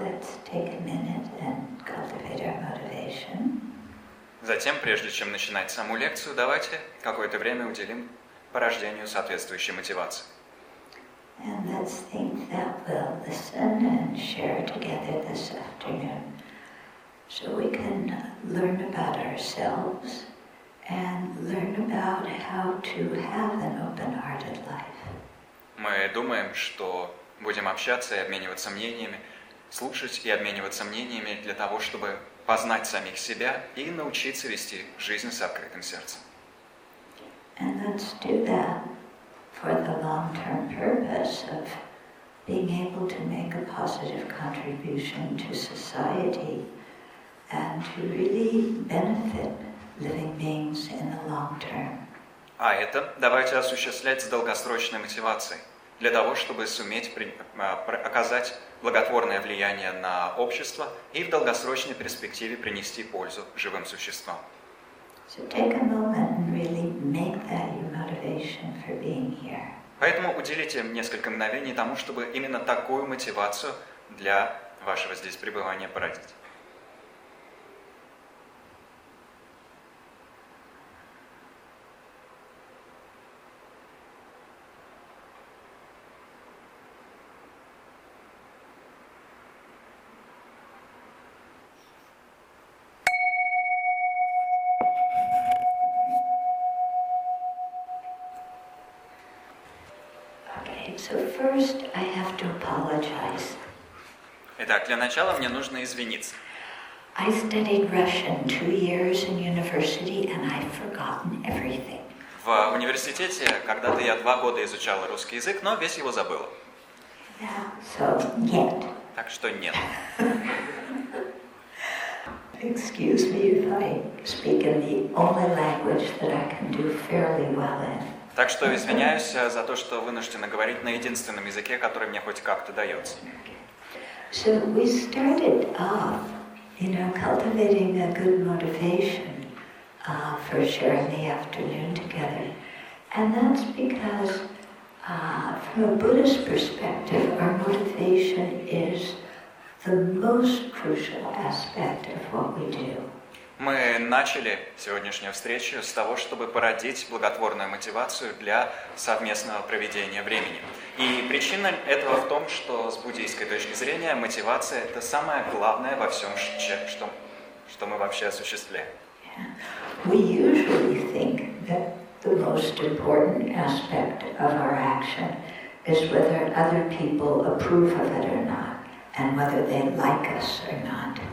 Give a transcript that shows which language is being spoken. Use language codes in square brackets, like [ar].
[en] Let's take a minute and cultivate our motivation. [ru] Затем, прежде чем начинать саму лекцию, давайте какое-то время уделим порождению соответствующей мотивации. [en] And let's think that we'll listen and share together this afternoon, so we can learn about ourselves and learn about how to have an open-hearted life. [ru] Мы думаем, что будем общаться и обмениваться мнениями, слушать и обмениваться мнениями для того, чтобы познать самих себя и научиться вести жизнь с открытым сердцем. [en] And let's do that for the long-term purpose of being able to make a positive contribution to society and to really benefit living beings in the long term. [ru] А это давайте осуществлять с долгосрочной мотивацией для того, чтобы суметь оказать благотворное влияние на общество и в долгосрочной перспективе принести пользу живым существам. [en] So take a moment and really make that your motivation for being here. [ru] Поэтому уделите несколько мгновений тому, чтобы именно такую мотивацию для вашего здесь пребывания породить. [en] First, I have to apologize. [ru] Итак, для начала мне нужно извиниться. [en] I studied Russian 2 years in university, and I've forgotten everything. [ru] В университете когда-то я 2 года изучала русский язык, но весь его забыла. [en] So [ru] нет. Так что нет. [en] Excuse me if I speak in the only language that I can do fairly well in. [ru] Так что извиняюсь за то, что вынуждена говорить на единственном языке, который мне хоть как-то дается. [en] So we started off, you know, cultivating a good motivation for sharing the afternoon together. And that's because from a Buddhist perspective, our motivation is the most crucial aspect of what we do. [ru] Мы начали сегодняшнюю встречу с того, чтобы породить благотворную мотивацию для совместного проведения времени. И причина этого в том, что с буддийской точки зрения мотивация – это самое главное во всем, что мы вообще осуществляем. [en] We usually think that the most important aspect of our action is whether other people approve of it or not, and whether they like us or not.